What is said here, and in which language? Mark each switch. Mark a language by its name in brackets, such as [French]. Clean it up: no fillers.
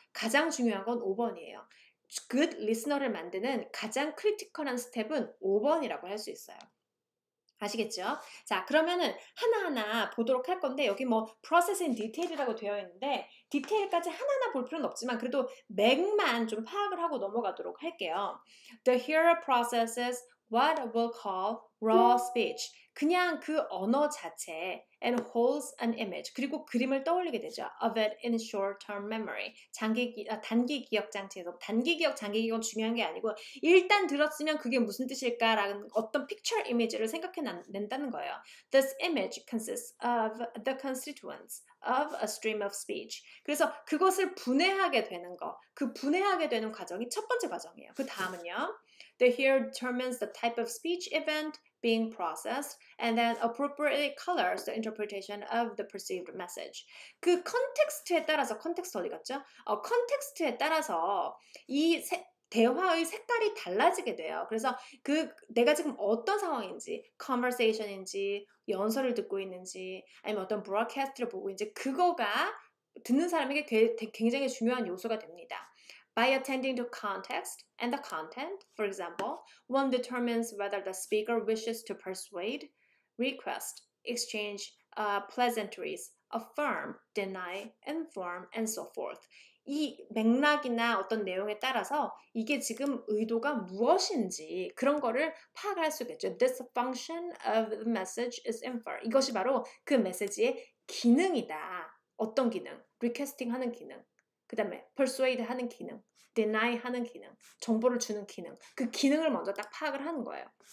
[Korean] 가장 중요한 건 5번이에요. good listener를 만드는 가장 크리티컬한 스텝은 5번이라고 할 수 있어요. 아시겠죠? 자, 그러면은 하나하나 보도록 할 건데 여기 뭐 [English] process in detail [Korean] 이라고 되어 있는데 디테일까지 하나하나 볼 필요는 없지만 그래도 맥만 좀 파악을 하고 넘어가도록 할게요. [English] The hearer processes what we'll call raw speech. [Korean] 그냥 그 언어 자체 [English] and holds an image. [Korean] 그리고 그림을 떠올리게 되죠. [English] of it in short-term memory. [Korean] 단기 기억 장치에서 단기 기억, 장기 기억은 중요한 게 아니고 일단 들었으면 그게 무슨 뜻일까라는 어떤 picture image를 생각해 낸다는 거예요. [English] This image consists of the constituents of a stream of speech. [Korean] 그래서 그것을 분해하게 되는 거. 그 분해하게 되는 과정이 첫 번째 과정이에요. 그 다음은요. [English] The hearer determines the type of speech event being processed and then appropriately colors the interpretation of the perceived message. [Korean] 그 컨텍스트에 따라서 컨텍스트 어디 갔죠? 컨텍스트에 따라서 이 대화의 색깔이 달라지게 돼요. 그래서 그 내가 지금 어떤 상황인지, conversation인지, 연설을 듣고 있는지, 아니면 어떤 broadcast를 보고 있는지 그거가 듣는 사람에게 굉장히 중요한 요소가 됩니다. [English] By attending to context and the content, for example, one determines whether the speaker wishes to persuade, request, exchange pleasantries, affirm, deny, inform, and so forth. [Korean] 이 맥락이나 어떤 내용에 따라서 이게 지금 의도가 무엇인지 그런 거를 파악할 수 있겠죠. [English] This function of the message is inferred. [Korean] 이것이 바로 그 메시지의 기능이다. 어떤 기능? Requesting 하는 기능. 그 다음에 persuade 하는 기능, deny 하는 기능, 정보를 주는 기능, 그 기능을 먼저 딱 파악을 하는 거예요.